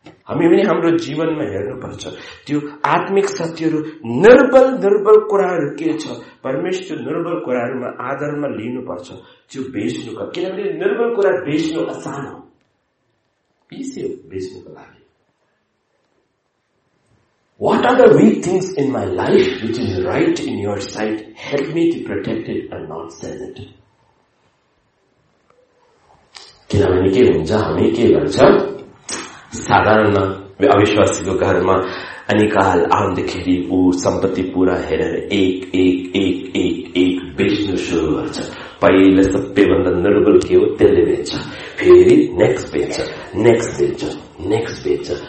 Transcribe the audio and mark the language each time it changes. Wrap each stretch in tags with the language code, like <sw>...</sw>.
<ne>हामी पनि हाम्रो जीवनमा हेर्नुपर्छ त्यो आत्मिक सत्यहरू, निर्बल निर्बल कुराहरू के छ, परमेश्वर निर्बल कुराहरूमा आधारमा लिनुपर्छ, त्यो बेच्नुको, किनभने निर्बल कुरा बेच्नु आसान हो, इजी हो बेच्नुको लागि।</ne> <en>What are the weak things in my life which is right in your sight? Help me to protect it and not sell it.</en> <ne>किनभने के हुन्छ, हामी के गर्छ साधारण अविश्वासीको घरमा अनिकाल आउँदाखेरि ऊ सम्पत्ति पुरा हेरेर एक एक एक एक एक बेच्नु सुरु गर्छ। पहिले सबैभन्दा निर्बल के हो त्यसले बेच्छ, फेरि नेक्स्ट बेच्छ, नेक्स्ट बेच्छ, नेक्स्ट बेच्छ।</ne>